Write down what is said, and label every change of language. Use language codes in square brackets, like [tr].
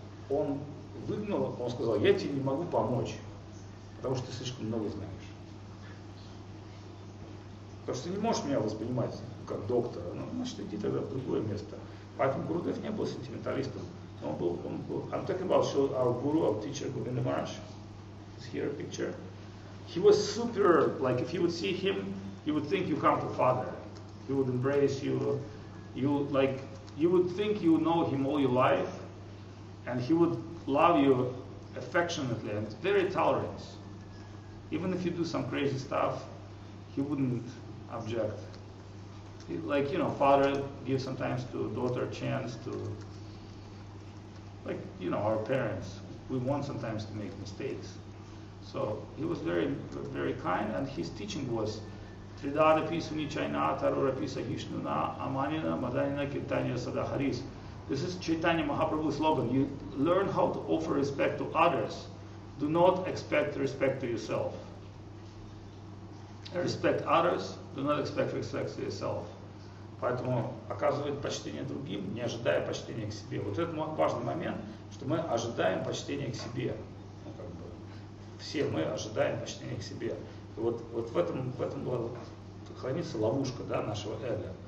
[ru] Он выгнал, он сказал, я тебе не могу помочь, потому что ты слишком много знаешь. Потому что ты не можешь меня воспринимать как доктора, ну, значит, иди тогда в другое место. Поэтому Гурудев не был сентименталистом. Он был. [en] I'm talking about our guru, our teacher, Govinda Maharaj. It's here a picture. He was super, like, if you would see him, you would think you come to father. He would embrace you. You would think you know him all your life, and he would love you affectionately and very tolerant. Even if you do some crazy stuff, he wouldn't object. Like, you know, father gives sometimes to daughter a chance to, like, you know, our parents, we want sometimes to make mistakes. So he was very, very kind, and his teaching was Sridhar Rapisa Nichayana, Taru Rapisa Hishnuna, Amanina, Madanina, Kirtanya Sadaharis. This is Chaitanya Mahaprabhu's slogan. You learn how to offer respect to others. Do not expect respect to yourself. Respect others, do not expect respect to yourself. [ru] Поэтому оказывать почтение другим, не ожидая почтения к себе. Вот это важный момент, что мы ожидаем почтения к себе. Ну, как бы, все мы ожидаем почтения к себе. И вот, вот в этом была хранится ловушка, да, нашего эго.